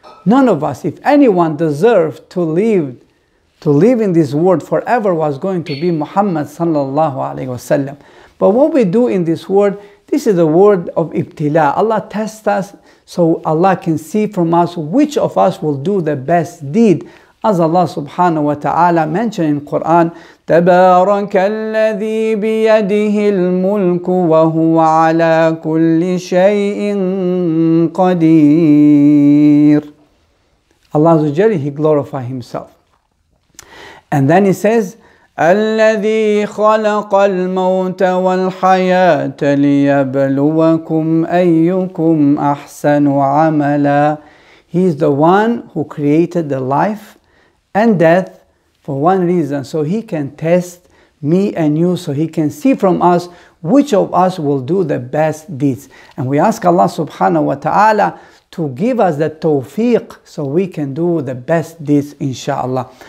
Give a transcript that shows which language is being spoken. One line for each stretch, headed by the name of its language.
English: None of us, if anyone deserved to live in this world forever, was going to be Muhammad sallallahu alaihi wasallam. But what we do in this world, this is the word of ibtila. Allah tests us so Allah can see from us which of us will do the best deed. As Allah subhanahu wa ta'ala mentioned in Qur'an,
Arabic: تَبَارَكَ الَّذِي بِيَدِهِ الْمُلْكُ وَهُوَ عَلَىٰ كُلِّ شَيْءٍ قَدِيرٌ. Allah Azawajal, He glorified Himself.
English: And then He says,
Arabic: الَّذِي خَلَقَ الْمَوْتَ وَالْحَيَاةَ لِيَبْلُوَكُمْ أَيُّكُمْ أَحْسَنُ عَمَلًا.
English: He is the one who created the life and death for one reason, so He can test me and you, so He can see from us which of us will do the best deeds. And we ask Allah subhanahu wa ta'ala to give us the tawfiq so we can do the best deeds, inshallah.